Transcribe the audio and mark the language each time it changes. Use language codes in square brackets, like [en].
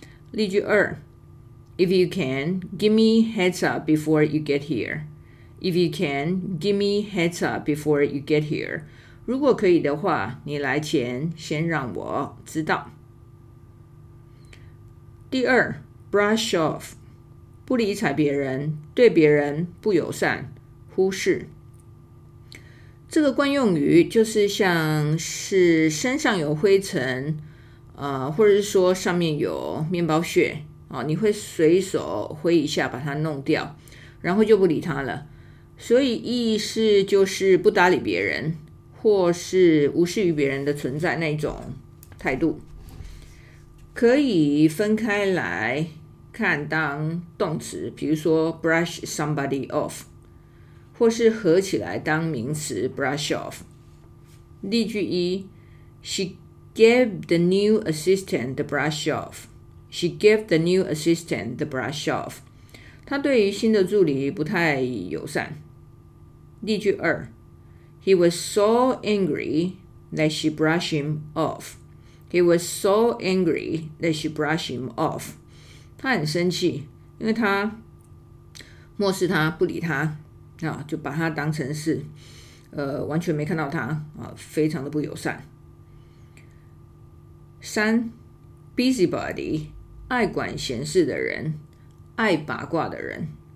[zh] 例句二 [en] ，If you can, give me heads up before you get here. If you can, give me heads up before you get here. [zh] 如果可以的话，你来前先让我知道。第二 ，brush off， 不理睬别人，对别人不友善，忽视。这个惯用语就是像是身上有灰尘，或者是说上面有面包屑，你会随手挥一下把它弄掉，然后就不理它了。所以意思就是不搭理别人，或是无视于别人的存在那种态度。可以分开来看当动词，比如说 brush somebody off， 或是合起来当名词 brush off。例句一 [en] She gave the new assistant the brush off. She gave the new assistant the brush off. [zh] 她对于新的助理不太友善。例句二 [en] He was so angry that she brushed him offHe was so angry that she brushed him off. [zh] 他很生气，因为他漠视他，不理他，就把他当成是，完全没看到他，非常的不友善。三 ，busybody， 爱管闲事的人，爱八卦的人。